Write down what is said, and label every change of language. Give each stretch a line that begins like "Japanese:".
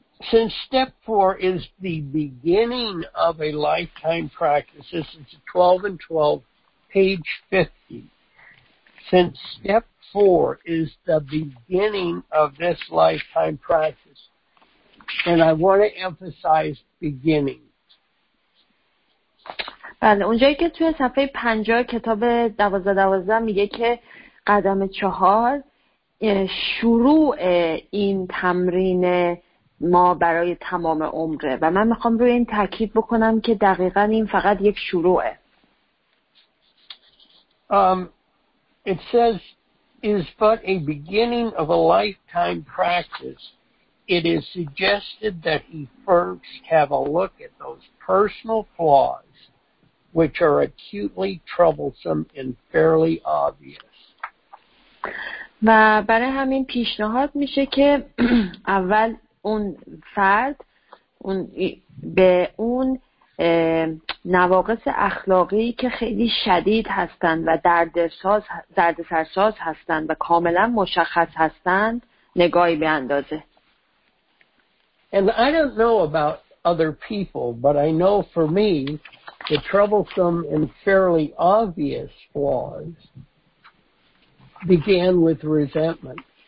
English: Since step 4 is the beginning of a lifetime practice, this is 12 and 12, page 50. Since step 4 is the beginning of this lifetime practice, and I want to emphasize beginning.
Persian: بله، اونجایی که توی صفحه 50 کتاب 12-12 میگه که قدم 4 شروع این تمرین ما برای تمام عمره و من میخوام روی این تاکید بکنم که دقیقا این فقط یک شروعه.
English: It says is but a beginning of a lifetime practice. It is suggested that he first have a look at those personal flaws which are acutely troublesome and fairly obvious.
Persian: و برای همین پیشنهاد میشه که اول اون فرد اون به اون نواقص اخلاقی که خیلی شدید هستند و دردسرساز هستند و کاملا مشخص هستند نگاهی به اندازه.
English: And I don't know about other people, but I know for me the troublesome and fairly obvious flaws began with resentment.